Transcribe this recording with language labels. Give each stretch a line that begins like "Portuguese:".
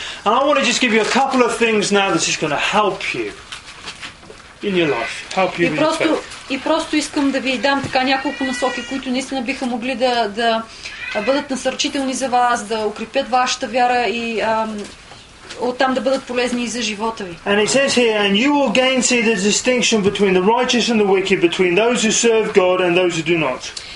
English: And I want to just give you a couple of things now that's just going to help you in your life, help you with your faith.
Bulgarian: И просто искам да ви дам така няколко насоки, които наистина биха могли да бъдат насърчителни за вас, да укрепят вашата вяра и оттам да бъдат полезни и за живота ви.
English: And it says here, and you will again see the distinction between the righteous and the wicked, between those who serve God and those who do not.